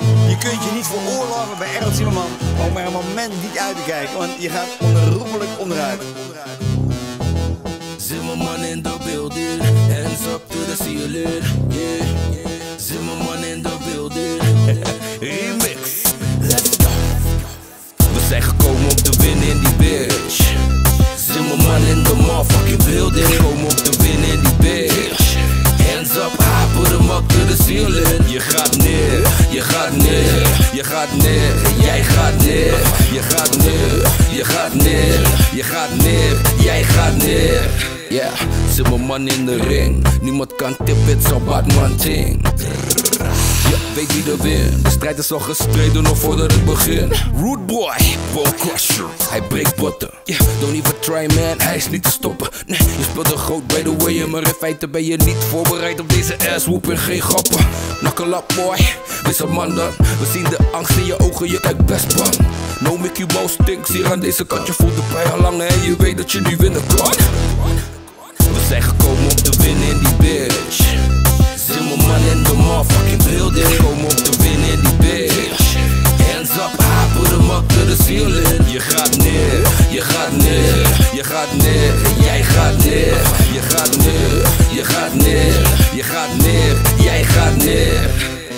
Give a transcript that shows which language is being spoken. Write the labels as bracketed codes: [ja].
[nl] Je kunt je niet veroorloven bij Errol Zimmerman om er een moment niet uit te kijken, want je gaat onherroepelijk onderuit. [en] Zimmerman in the building, hands up to the ceiling, yeah. Zimmerman in the building, remix, let's go. [nl] We zijn gekomen om te winnen in die bitch. Zimmerman [en] in the motherfucking building, [nl] komen om te winnen in die bitch. [en] Hands up, high, put em up to the ceiling. [nl] Je gaat neer, je gaat neer, je gaat neer, jij gaat neer. Je gaat neer, je gaat neer, je gaat neer, jij gaat neer. Ja, yeah. Zimmerman in de ring, niemand kan tip, [en] it's a Batman ting. [nl] Ja, weet wie de win, de strijd is al gestreden nog voordat het begin. [en] Rude boy, ball crusher, [nl] hij breekt botten. [en] Yeah, don't even try man, [nl] hij is niet te stoppen. Nee, je speelt een groot [en] by the way, [nl] maar in feite ben je niet voorbereid op deze ass whooping, geen grappen. [en] Knuckle up boy, [nl] wees een man dan. We zien de angst in je ogen, je kijkt best bang. [en] No Mickey Mouse stinks [nl] hier aan deze kant. Je voelt de pijn al lang en je weet dat je nu winnen kan. We zijn gekomen om te winnen in die bitch. Zimmerman [en] in the motherfucking building. [nl] Komen om te winnen in die bitch. [en] Hands up, high, put em up to the ceiling. [nl] Je gaat neer, je gaat neer, je gaat neer, jij gaat neer. Je gaat neer, je gaat neer, je gaat neer, jij gaat neer.